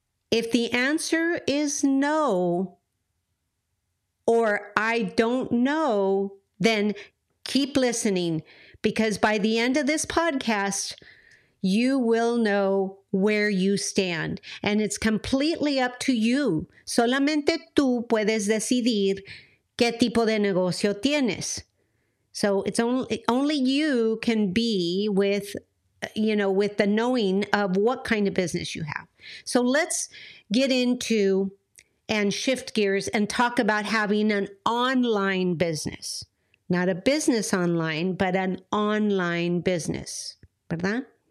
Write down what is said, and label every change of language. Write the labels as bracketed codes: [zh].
[en] If the answer is no, or I don't know, then keep listening, because by the end of this podcast, you will know where you stand, and it's completely up to you. [es] Solamente tú puedes decidir qué tipo de negocio tienes. [en] So it's only you can be with the knowing of what kind of business you have. So let's get into and shift gears and talk about having an online business. Not a business online, but an online business. ¿Verdad?